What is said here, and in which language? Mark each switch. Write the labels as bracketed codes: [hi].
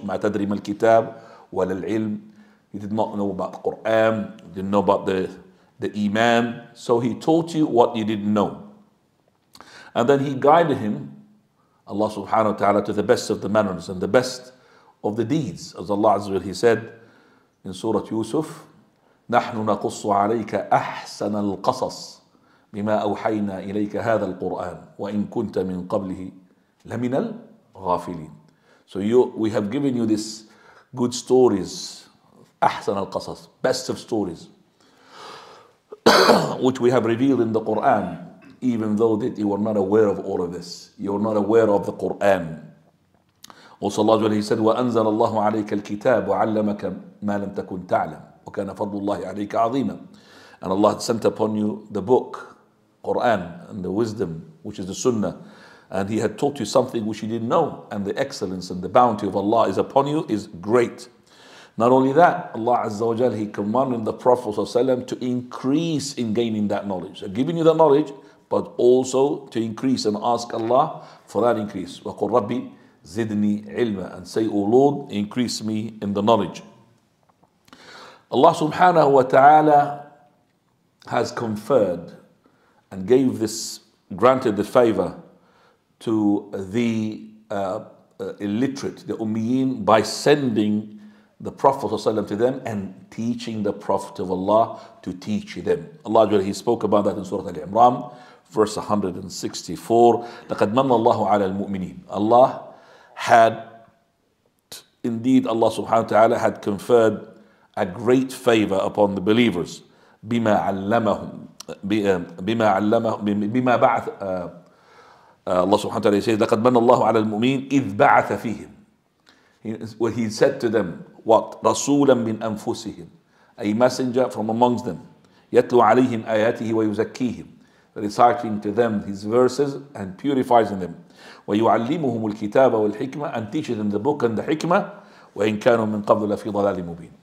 [ar] مَا تَدْرِمَ الْكِتَابِ وَلَا الْعِلْمِ. [en] He did not know about the Qur'an, didn't know about the Iman. So he taught you what you didn't know. And then he guided him, Allah subhanahu wa ta'ala, to the best of the manners and the best of the deeds. As Allah Azza wa Jalla, he said in Surah Yusuf, [ar] نحن نقص عليك أحسن القصص بما أوحينا إليك هذا القرآن وإن كنت من قبله لمن الغافلين. [en] So we have given you this good stories, ahsan al-qasas, best of stories, which we have revealed in the Quran, even though that you were not aware of all of this. You were not aware of the Quran. Also Allah Jalla, he said, [ar] وَأَنزَلَ اللَّهُ عَلَيْكَ الْكِتَابُ وَعَلَّمَكَ مَا لَمْ تَكُنْ تَعْلَمُ وَكَانَ فَضْلُ اللَّهِ عَلَيْكَ عَظِيمًا. [en] And Allah had sent upon you the book, Quran, and the wisdom, which is the Sunnah. And he had taught you something which you didn't know. And the excellence and the bounty of Allah is upon you is great. Not only that, Allah Azza wa Jal, he commanded the Prophet ﷺ to increase in gaining that knowledge. So giving you that knowledge, but also to increase and ask Allah for that increase. [ar] وَقُلْ رَبِّ زِدْنِي عِلْمًا. [en] And say, O Lord, increase me in the knowledge. Allah subhanahu wa ta'ala has conferred and gave this, granted the favor to the illiterate, the Ummiyin, by sending the Prophet ﷺ to them and teaching the Prophet of Allah to teach them. Allah, he spoke about that in Surah Al-Imran, verse 164. [ar] لَقَدْ مَنَّ اللَّهُ عَلَى الْمُؤْمِنِينَ. [en] Allah had, indeed Allah subhanahu wa ta'ala had conferred a great favor upon the believers. [ar] بِمَا عَلَّمَهُمْ بِمَا عَلَّمَهُمْ بِمَا بَعَثَ [en] Allah subhanahu wa ta'ala says, [ar] لَقَدْ مَنَّ اللَّهُ عَلَى الْمُؤْمِنِينَ إِذْ بَعَثَ فِيهِمْ. [en] He said to them, what? [ar] رَسُولًا مِنْ أَنفُسِهِمْ, [en] a messenger from amongst them. [ar] يَتْلُوا عَلَيْهِمْ آيَاتِهِ وَيُزَكِّيهِمْ, [en] reciting to them his verses and purifying them. [ar] وَيُعَلِّمُهُمُ الْكِتَابَ وَالْحِكْمَةَ, [en] and teaching them the book and the hikmah. [ar] وَإِنْ كَانُوا مِنْ قَبْلُ لَفِي ضَلَالٍ مُبِينٍ.